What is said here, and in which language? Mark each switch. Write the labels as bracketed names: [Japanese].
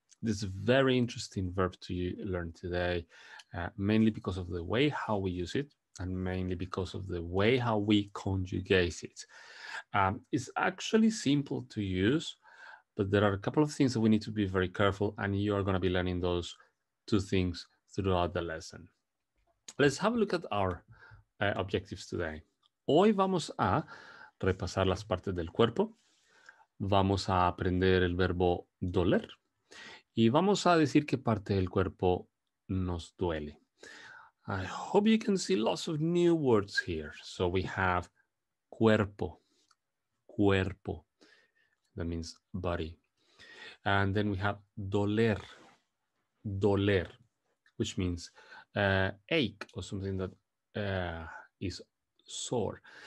[English] This is a very interesting verb to learn today, mainly because of the way how we use it and mainly because of the way how we conjugate it. It's actually simple to use, but there are a couple of things that we need to be very careful, and you are going to be learning those two things throughout the lesson. Let's have a look at our objectives today. [Spanish] Hoy vamos a repasar las partes del cuerpo. Vamos a aprender el verbo doler. Y vamos a decir qué parte del cuerpo nos duele. [English] I hope you can see lots of new words here. So we have cuerpo, cuerpo. That means body. And then we have doler, doler, which means ache or something that is sore.